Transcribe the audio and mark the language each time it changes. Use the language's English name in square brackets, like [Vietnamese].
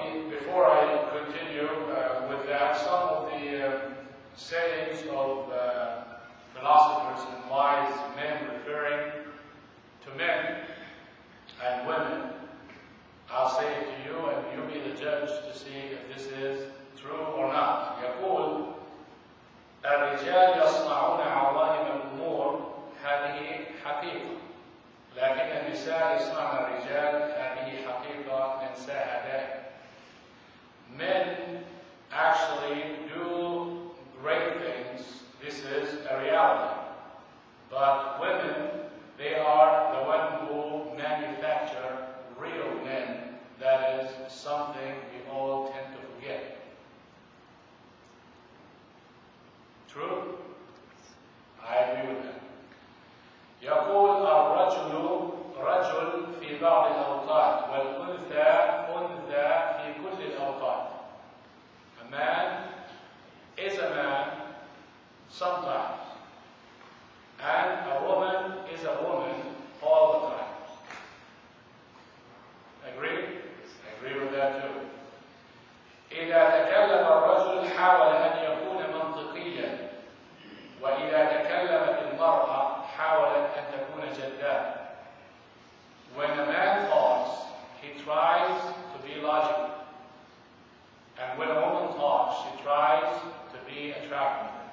[English] Before I continue with that, some of the sayings of philosophers and wise men referring to men and women, I'll say it to you and you be the judge to see if this is true or not. [Arabic] يقول الرجال يصنعون على الأمور هذه حقيقة لكن النساء يصنعن الرجال هذه حقيقة من ساعدات. [English] Men actually do great things. This is a reality. But women, they are the one who manufacture real men. That is something we all tend to forget. True? I agree with that. [Arabic] يقول الرجل رجل في بعض الأوقات والأنثى أنثى في كل الأوقات. [English] Man is a man sometimes, and a woman is a woman all the time. Agree? Agree with that too. [Arabic] إذا تكلم الرجل حاول أن يكون منطقيا، وإذا تكلمت المرأة حاولت أن تكون جذابة. [English] When a man talks, he tries to be logical. And when a woman talks, she tries to be attractive.